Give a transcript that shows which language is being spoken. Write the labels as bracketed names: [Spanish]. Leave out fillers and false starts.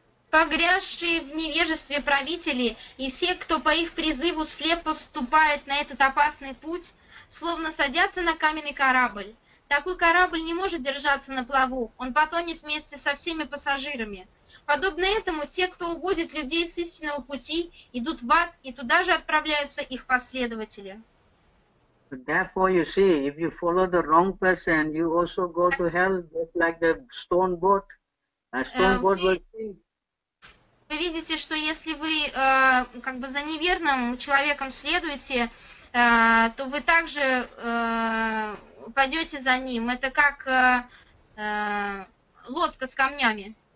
[Russian] Погрязшие в невежестве правители и все, кто по их призыву слепо ступает на этот опасный путь, словно садятся на каменный корабль. Такой корабль не может держаться на плаву, он потонет вместе со всеми пассажирами. Подобно этому, те, кто уводит людей с истинного пути, идут в ад, и туда же отправляются их последователи. [English] Therefore, you see, if you follow the wrong person, you also go to hell, just like the stone boat. A stone boat will sink. [Russian] Вы видите, что если вы как бы за неверным человеком следуете, то вы также пойдете за ним. Это как лодка с камнями.